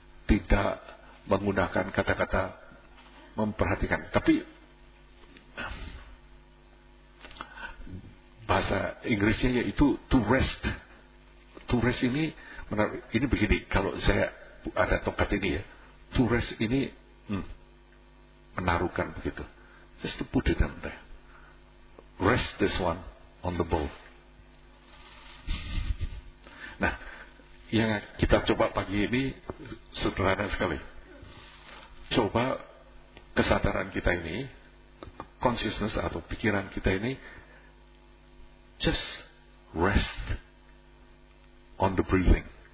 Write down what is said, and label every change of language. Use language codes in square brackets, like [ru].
[id] tidak menggunakan kata-kata memperhatikan, tapi bahasa Inggrisnya yaitu to rest. To rest ini menarik. Ini begini, kalau saya ada tongkat ini ya, to rest ini menaruhkan begitu. [en] Just to put it on there. Rest this one on the bowl. [id] Nah, yang kita coba pagi ini sederhana sekali. Coba kesadaran kita ini, consciousness atau pikiran kita ini, [en] just rest on the breathing.